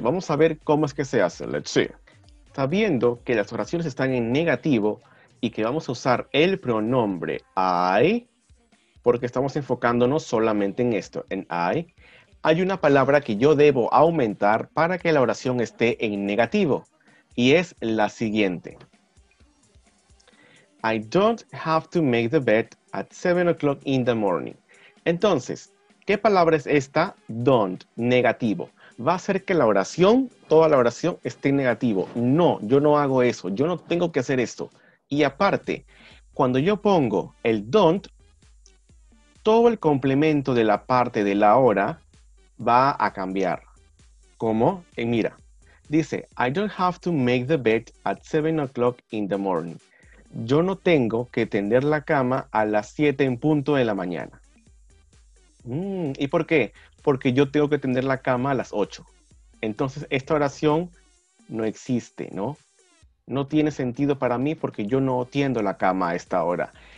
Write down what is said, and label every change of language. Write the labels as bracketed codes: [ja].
[es] Vamos a ver cómo es que se hace. [en] Let's see. [es] Sabiendo que las oraciones están en negativo y que vamos a usar el pronombre I, porque estamos enfocándonos solamente en esto, en I, hay una palabra que yo debo aumentar para que la oración esté en negativo, y es la siguiente. [en] I don't have to make the bed at 7 o'clock in the morning. [es] Entonces, ¿qué palabra es esta? Don't, negativo. Va a hacer que la oración, toda la oración, esté negativo. No, yo no hago eso. Yo no tengo que hacer esto. Y aparte, cuando yo pongo el don't, todo el complemento de la parte de la hora va a cambiar. ¿Cómo? Mira, dice, [en] I don't have to make the bed at 7 o'clock in the morning. [es] Yo no tengo que tender la cama a las 7 en punto de la mañana. ¿Y por qué? Porque yo tengo que tender la cama a las 8. Entonces, esta oración no existe, ¿no? No tiene sentido para mí porque yo no tiendo la cama a esta hora.